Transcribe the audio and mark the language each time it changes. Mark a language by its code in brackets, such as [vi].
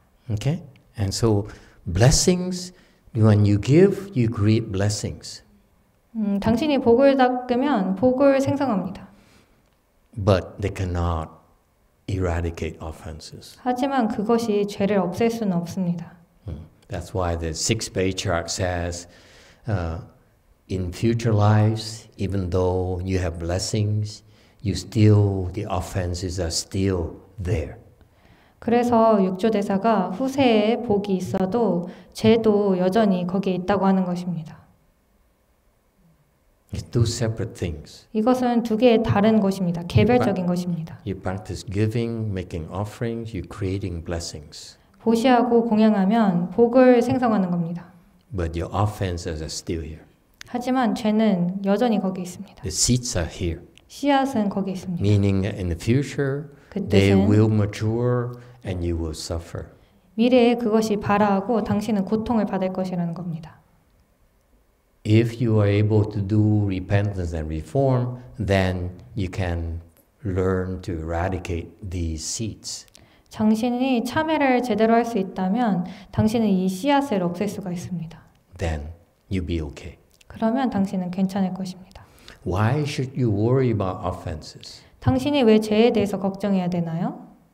[en] Okay. And so blessings when you give, you create blessings. [ko] 당신이 복을 닦으면 복을 생성합니다. [en] But they cannot eradicate offenses. [ko] 하지만 그것이 죄를 없앨 수는 없습니다. [en] That's why the six patriarch says, in future lives, even though you have blessings, you still the offenses are still there. [ko] 그래서 육조 대사가 후세에 복이 있어도 죄도 여전히 거기에 있다고 하는 것입니다. [en] It's two separate things. [ko] 이것은 두 개의 다른 것입니다. 개별적인 것입니다. [en] You practice giving, making offerings, you creating blessings. [ko] 보시하고 공양하면 복을 생성하는 겁니다. [en] But your offenses are still here. [ko] 하지만 죄는 여전히 거기 있습니다. [en] The seeds are here. [ko] 씨앗은 거기 있습니다. [en] Meaning in the future, they will mature and you will suffer. [ko] 미래에 그것이 발화하고 당신은 고통을 받을 것이라는 겁니다. [en] If you are able to do repentance and reform, then you can learn to eradicate these seeds. [ko] 당신이 참회를 제대로 할 수 있다면 당신은 이 씨앗을 없앨 수가 있습니다. [en] Then you'll be okay. [ko] 그러면 당신은 괜찮을 것입니다. [en] Why should you worry about offenses? [ko] 당신이 왜 죄에 대해서 걱정해야 되나요?